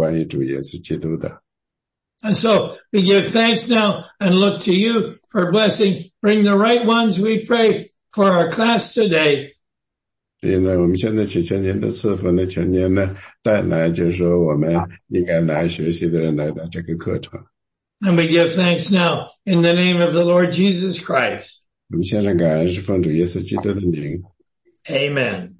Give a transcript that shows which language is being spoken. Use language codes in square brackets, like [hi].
[zh] 主啊，我们要再次开始学习圣经。我们祷告呢，您不光是教导我们神的话，也教导我们关于主耶稣基督的。 [en] And so we give thanks now and look to you for blessing. Bring the right ones, we pray, for our class today. [zh] 所以呢，我们现在请圣灵的赐福呢，求您呢带来，就是说我们应该来学习的人来到这个课程。 [en] And we give thanks now in the name of the Lord Jesus Christ. [zh] 我们现在感恩是奉主耶稣基督的名。Amen.